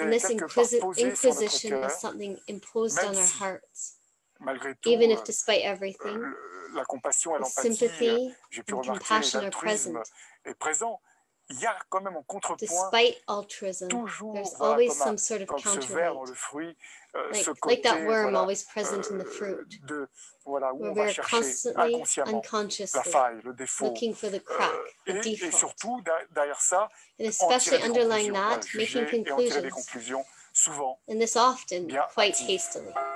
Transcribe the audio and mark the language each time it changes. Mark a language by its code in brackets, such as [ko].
[en] And this inquisition is something imposed on our hearts. Even if despite everything, [fr] la compassion et l'empathie, j'ai pu remarquer l'altruisme est présent. Il y a quand même un contrepoint, toujours comme ce ver dans le fruit, [en] like that worm always present in the fruit, where we're constantly, unconsciously, looking for the crack, the defect. [fr] Et surtout, derrière ça, [en] and especially underlying that, making conclusions, [fr] souvent, [en] and this often, quite hastily.